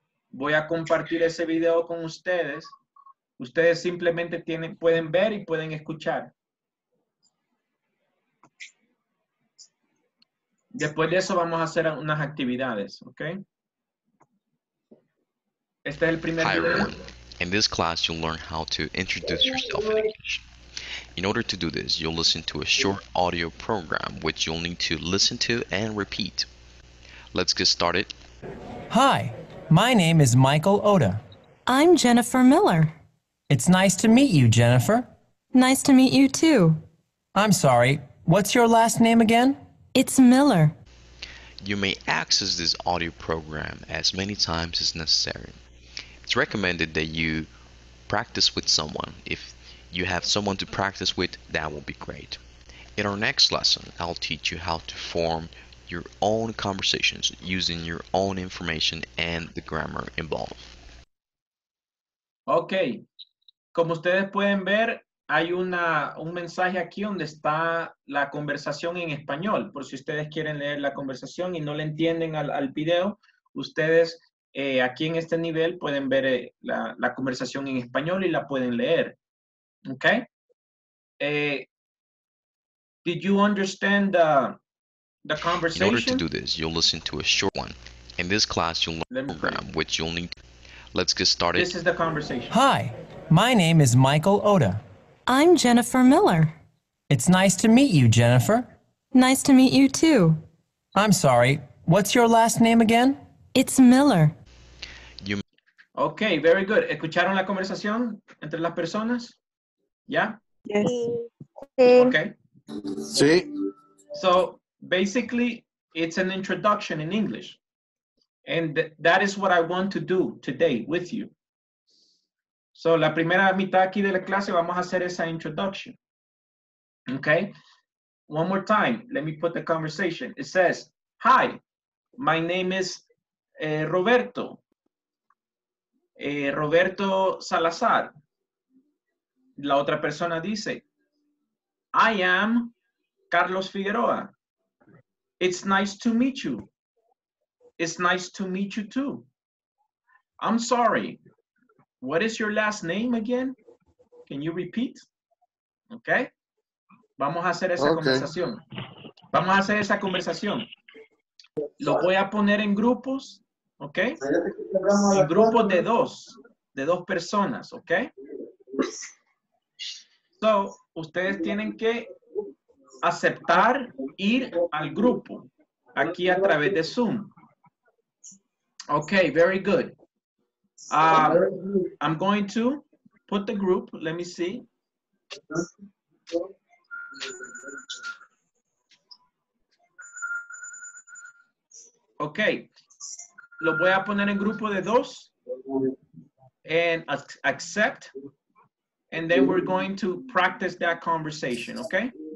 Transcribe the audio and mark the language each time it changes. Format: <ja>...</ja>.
<es>Voy a compartir ese video con ustedes. Ustedes simplemente pueden ver y pueden escuchar. Después de eso vamos a hacer unas actividades, ¿ok? Este es el primer video.</es> <en>Hi everyone. In this class, you'll learn how to introduce yourself in English. In order to do this, you'll listen to a short audio program, which you'll need to listen to and repeat. Let's get started. Hi, my name is Michael Oda. I'm Jennifer Miller. It's nice to meet you, Jennifer. Nice to meet you, too. I'm sorry, what's your last name again? It's Miller. You may access this audio program as many times as necessary. It's recommended that you practice with someone. If you have someone to practice with, that will be great. In our next lesson, I'll teach you how to form your own conversations using your own information and the grammar involved. Okay.</en> <es>Como ustedes pueden ver, hay un mensaje aquí donde está la conversación en español. Por si ustedes quieren leer la conversación y no le entienden al video, ustedes aquí en este nivel pueden ver la conversación en español y la pueden leer.</es> <en>¿Ok? Did you understand the conversation? In order to do this, you'll listen to a short one. In this class, you'll learn a program, which you'll need. Let's get started. This is the conversation. Hi, my name is Michael Oda. I'm Jennifer Miller. It's nice to meet you, Jennifer. Nice to meet you, too. I'm sorry. What's your last name again? It's Miller. Okay, very good.</en> <es>¿Escucharon la conversación entre las personas? ¿Ya?</es> <en>Yes. Okay.</en> <es>Sí.</es> <en>So, basically, it's an introduction in English. And that is what I want to do today with you.</en> <es>So, la primera mitad aquí de la clase, vamos a hacer esa introduction.</es> <en>Okay? One more time. Let me put the conversation. It says, hi, my name is Roberto.</en> <es>Roberto Salazar. La otra persona dice,</es> <en>I am Carlos Figueroa. It's nice to meet you. It's nice to meet you too. I'm sorry. What is your last name again? Can you repeat? Okay.</en> <es>Vamos a hacer esa conversación. Vamos a hacer esa conversación. Lo voy a poner en grupos. ¿Ok? En grupos de dos personas, ¿ok? So, ustedes tienen que aceptar ir al grupo, aquí a través de Zoom.</es> <en>Ok, very good. I'm going to put the group, let me see. Ok.</en> <es>Lo voy a poner en grupo de dos.</es> <en>And accept. And then we're going to practice that conversation, okay?</en>